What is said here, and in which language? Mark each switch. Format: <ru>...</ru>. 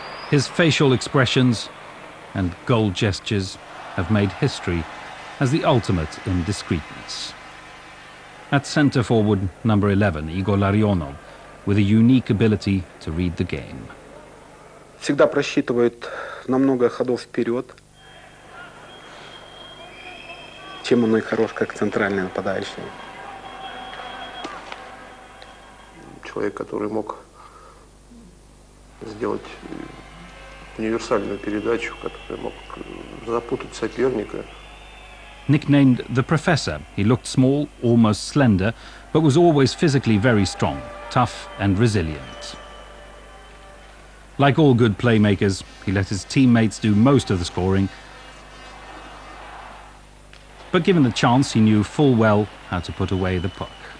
<en>His facial expressions and goal gestures have made history as the ultimate in discreetness. At center forward, number 11, Igor Larionov, with a unique ability to read the game.</en> <ru>Всегда просчитывает намного ходов вперед. Чем он и хорош, как центральный нападающий. Человек, который мог сделать универсальную передачу, которая мог запутать соперника.</ru> <en>Nicknamed the Professor, he looked small, almost slender, but was always physically very strong, tough and resilient. Like all good playmakers, he let his teammates do most of the scoring, but given the chance, he knew full well how to put away the puck.</en>